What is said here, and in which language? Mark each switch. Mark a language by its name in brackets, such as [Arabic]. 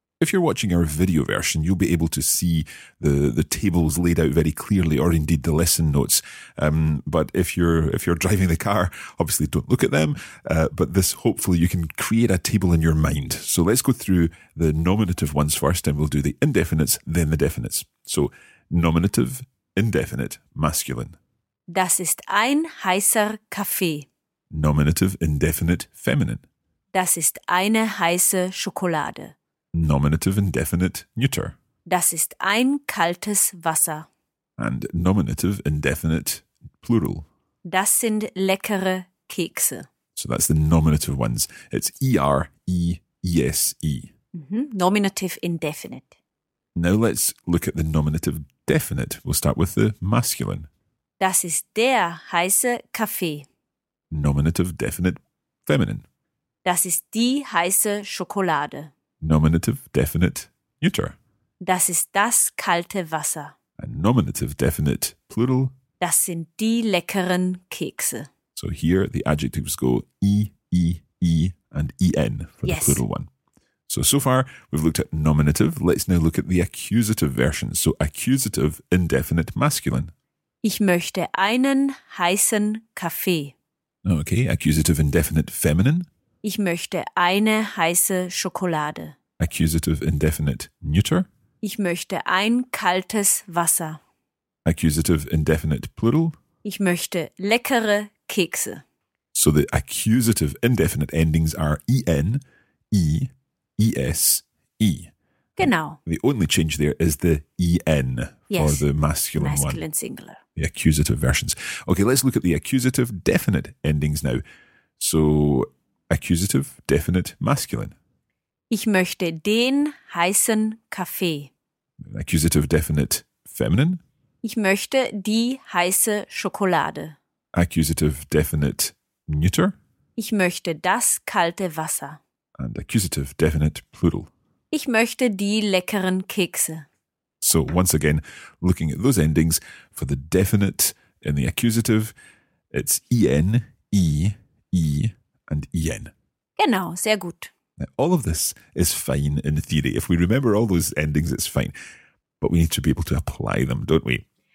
[English] If you're watching our video version, you'll be able to see the tables laid out very clearly, or indeed the lesson notes. But if you're driving the car, obviously don't look at them. But this, hopefully you can create a table in your mind. So let's go through the nominative ones first, and we'll do the indefinites, then the definites. So nominative, indefinite, masculine. [German] Das ist ein heißer Kaffee. [English] Nominative, indefinite, feminine. [German] Das ist eine heiße Schokolade. [English] Nominative, indefinite, neuter. [German] Das ist ein kaltes Wasser. [English] And nominative, indefinite, plural. [German] Das sind leckere Kekse. [English] So that's the nominative ones. It's E-R-E-E-S-E. Mm-hmm. Nominative, indefinite. Now let's look at the nominative definite. We'll start with the masculine. [German] Das ist der heiße Kaffee. [English] Nominative, definite, feminine. [German] Das ist die heiße Schokolade. [English] Nominative, definite, neuter. [German] Das ist das kalte Wasser. [English] And nominative, definite, plural. [German] Das sind die leckeren Kekse. [English] So here the adjectives go E, E, E and EN for yes. the plural one. So far we've looked at nominative. Let's now look at the accusative version. So accusative, indefinite, masculine. [German] Ich möchte einen heißen Kaffee. [English] Okay, accusative, indefinite, feminine. [German] Ich möchte eine heiße Schokolade. [English] Accusative, indefinite, neuter. [German] Ich möchte ein kaltes Wasser. [English] Accusative, indefinite, plural. [German] Ich möchte leckere Kekse. [English] So the accusative indefinite endings are en, e, es, e. [German] Genau. [English] The only change there is the en for yes. the masculine one. Masculine singular. The accusative versions. Okay, let's look at the accusative definite endings now. So... accusative, definite, masculine. [German] Ich möchte den heißen Kaffee. [English] Accusative definite feminine. [German] Ich möchte die heiße Schokolade. [English] Accusative definite neuter. [German] Ich möchte das kalte Wasser. [English] And accusative definite plural. [German] Ich möchte die leckeren Kekse. [English] So once again, looking at those endings, for the definite in the accusative, it's en, e, e and en. [German] Genau, sehr gut. [English] Now, all of this is fine in theory. If we remember all those endings, it's fine. But we need to be able to apply them, don't we?